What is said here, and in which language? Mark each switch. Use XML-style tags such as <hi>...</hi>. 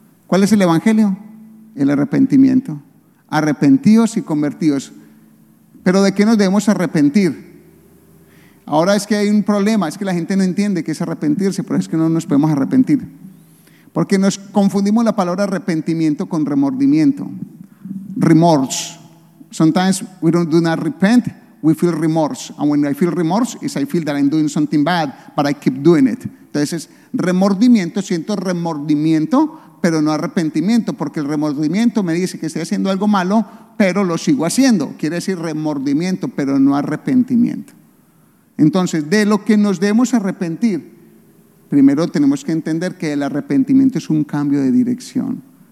<es>¿Cuál es el evangelio? El arrepentimiento. Arrepentíos y convertíos. ¿Pero de qué nos debemos arrepentir? Ahora es que hay un problema, es que la gente no entiende qué es arrepentirse, pero es que no nos podemos arrepentir. Porque nos confundimos la palabra arrepentimiento con remordimiento.</es> <en>Remorse. Sometimes we don't do not repent, we feel remorse. And when I feel remorse, is I feel that I'm doing something bad, but I keep doing it.</en> <es>Entonces, remordimiento, siento remordimiento, pero no arrepentimiento, porque el remordimiento me dice que estoy haciendo algo malo, pero lo sigo haciendo. Quiere decir remordimiento, pero no arrepentimiento. Entonces, de lo que nos debemos arrepentir, primero tenemos que entender que el arrepentimiento es un cambio de dirección.</es>